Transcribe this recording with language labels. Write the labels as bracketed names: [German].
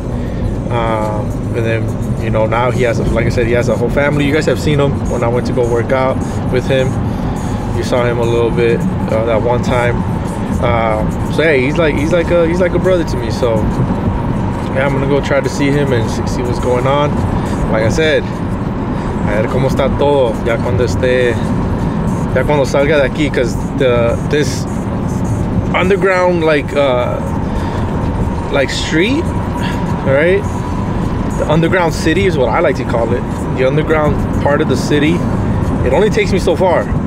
[English] And then, you know, now he has, he has a whole family. You guys have seen him when I went to go work out with him. You saw him a little bit that one time. He's like a brother to me. So, yeah, I'm going to go try to see him and see what's going on. Like I said, [Spanish] a ver cómo está todo. Ya cuando salga de aquí. [English] Because this underground, like street, all right? The underground city is what I like to call it. The underground part of the city. It only takes me so far.